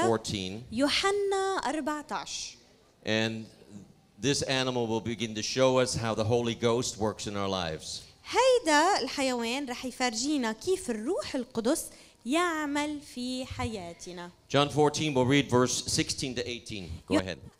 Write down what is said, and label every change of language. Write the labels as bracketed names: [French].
[English] John chapter 14. [Arabic] يوحنا 14. [English] And this animal will begin to show us how the Holy Ghost works in our lives. [Arabic] هيدا الحيوان رح يفرجينا كيف الروح القدس يعمل في حياتنا. [English] John 14, we'll read verse 16 to 18. Go ahead.